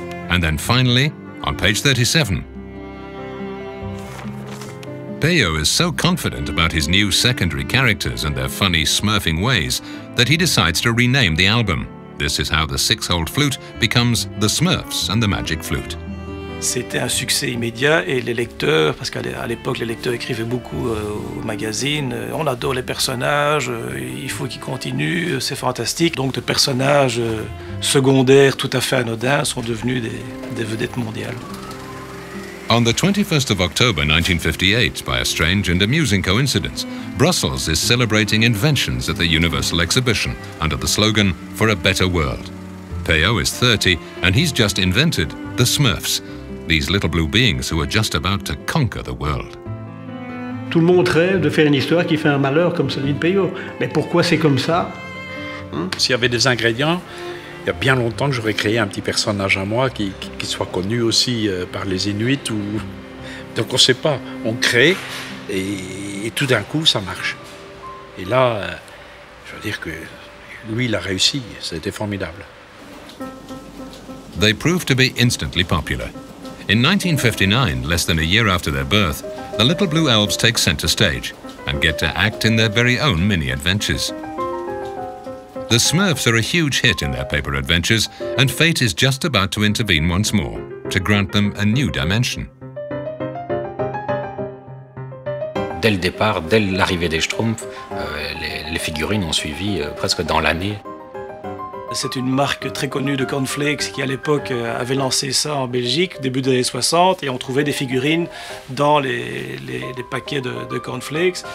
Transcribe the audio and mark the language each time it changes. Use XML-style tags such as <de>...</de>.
<en>And then finally, on page 37. Peyo is so confident about his new secondary characters and their funny smurfing ways that he decides to rename the album. This is how the Six-Holed Flute becomes The Smurfs and the Magic Flute.</en> <fr>C'était un succès immédiat et les lecteurs, parce qu'à l'époque les lecteurs écrivaient beaucoup au magazine, on adore les personnages, il faut qu'ils continuent, c'est fantastique. Donc des personnages secondaires tout à fait anodins sont devenus des vedettes mondiales.</fr> <en>On the 21st of October 1958, by a strange and amusing coincidence, Brussels is celebrating inventions at the Universal Exhibition under the slogan For a Better World. Peyo is 30 and he's just invented the Smurfs. These little blue beings who are just about to conquer the world.</en> <fr>Tout le monde rêve de faire une histoire qui fait un malheur comme celui de Peyo. Mais pourquoi c'est comme ça? S'il y avait des ingrédients, il y a bien longtemps que j'aurais créé un petit personnage à moi qui soit connu aussi par les Inuits. Ou... Donc on ne sait pas. On crée et tout d'un coup, ça marche. Et là, je veux dire que Lui, il a réussi. C'était formidable.</fr> <en>They proved to be instantly popular. In 1959, less than a year after their birth, the Little Blue Elves take center stage and get to act in their very own mini-adventures. The Smurfs are a huge hit in their paper adventures, and fate is just about to intervene once more to grant them a new dimension.</en> <fr>Dès le départ, dès l'arrivée des Schtroumpfs, les figurines ont suivi presque dans l'année. C'est une marque très connue de cornflakes qui, à l'époque, avait lancé ça en Belgique, début des années 60, et on trouvait des figurines dans les paquets de cornflakes.</fr>